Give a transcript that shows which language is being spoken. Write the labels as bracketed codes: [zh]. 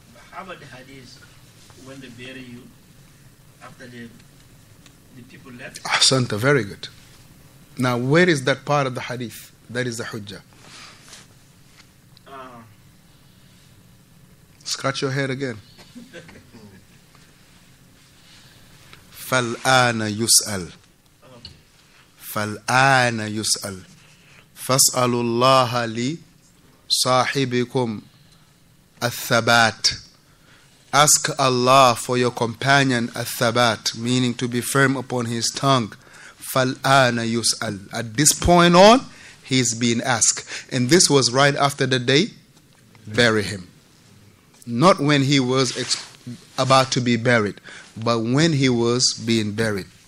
[en] How about the hadith, when they bury you, after the people left? Ahsanta, very good. Now, where is that part of the hadith? That is the hujjah. Scratch your head again. [ar] فالآن يسأل فالآن يسأل فاسألوا الله لي صاحبكم الثبات. [en] Ask Allah for your companion الثبات, meaning to be firm upon his tongue. [ar] فالآن يسأل. [en] At this point on, he's being asked. And this was right after the day, bury him. Not when he was about to be buried, but when he was being buried.